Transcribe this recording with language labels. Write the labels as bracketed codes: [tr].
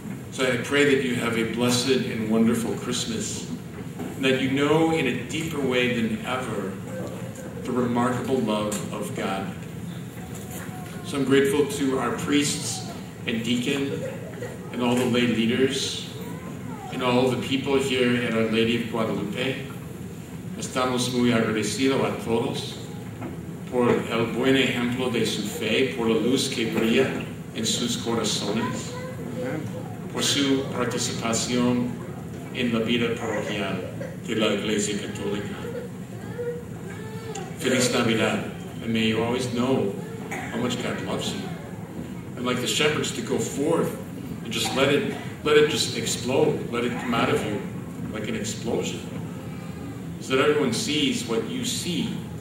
[en] So I pray that you have a blessed and wonderful Christmas, and that you know in a deeper way than ever the remarkable love of God. So I'm grateful to our priests and deacon and all the lay leaders and all the people here at Our Lady of Guadalupe. [es] Estamos muy agradecidos a todos por el buen ejemplo de su fe, por la luz que brilla en sus corazones, por su participación en la vida parroquial de la Iglesia Católica. Feliz Navidad, [en] and may you always know how much God loves you. And like the shepherds, to go forth and just let it just explode, let it come out of you like an explosion, so that everyone sees what you see.